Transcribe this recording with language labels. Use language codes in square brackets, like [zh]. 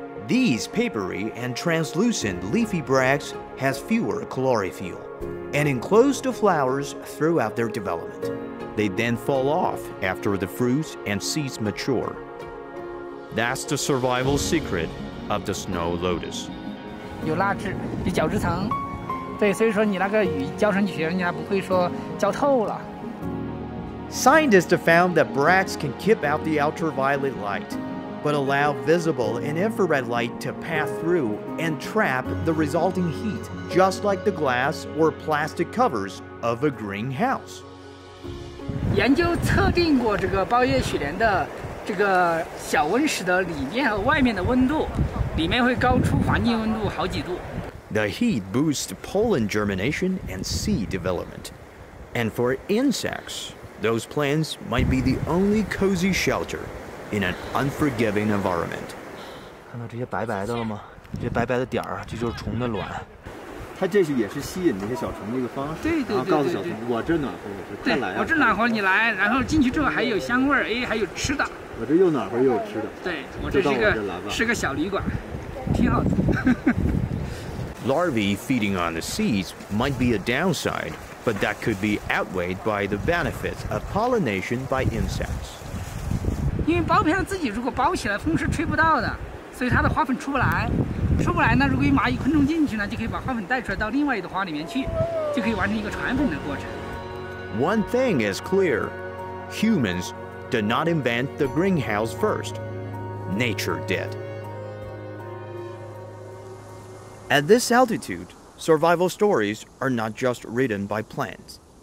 [en] These papery and translucent leafy bracts has fewer chlorophyll. And enclose the flowers throughout their development. They then fall off after the fruits and seeds mature. That's the survival secret of the snow lotus. [zh] 有蜡质，有角质层，对，所以说你那个雨浇上去，人家不会说浇透了。 [en] Scientists found that bracts can keep out the ultraviolet light, but allow visible and infrared light to pass through and trap the resulting heat. Just like the glass or plastic covers of a greenhouse. [zh] 研究测定过这个包叶雪莲的这个小温室的里面和外面的温度，里面会高出环境温度好几度。 [en] The heat boosts pollen germination and seed development. And for insects, those plants might be the only cozy shelter in an unforgiving environment. [zh] 看到这些白白的了吗？这白白的点儿，这就是虫的卵。它这是也是吸引那些小虫的一个方式，对对对，然后告诉小虫我这暖和，我这再来、啊，我这暖和你来，然后进去之后还有香味儿，哎，还有吃的，我这又暖和又有吃的，对，我这是一个小旅馆，挺好的。 [en] Larvae feeding on the seeds might be a downside, but that could be outweighed by the benefits of pollination by insects. [zh] 因为包片自己如果包起来，风是吹不到的，所以它的花粉出不来。出不来呢，如果有蚂蚁昆虫进去呢，就可以把花粉带出来到另外一朵花里面去，就可以完成一个传粉的过程。 [en] One thing is clear, humans did not invent the greenhouse first. Nature did. At this altitude, survival stories are not just written by plants.